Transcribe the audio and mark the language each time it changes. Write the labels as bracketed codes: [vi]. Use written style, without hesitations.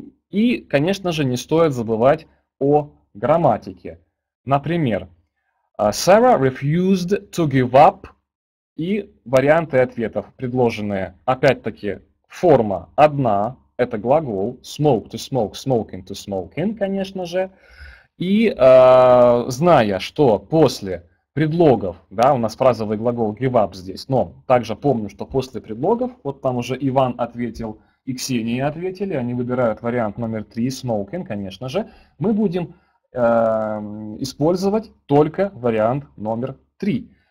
[ru] И, конечно же, не стоит забывать о грамматике. Например, [en] Sarah refused to give up, [ru] и варианты ответов предложенные, опять-таки, форма одна. Это глагол [en] smoke to smoke, smoking to smoking, [ru] конечно же. И зная, что после предлогов, да, у нас фразовый глагол give up здесь, но также помню, что после предлогов, вот там уже Иван ответил и Ксения ответили, они выбирают вариант номер 3, smoking, конечно же, мы будем использовать только вариант номер 3.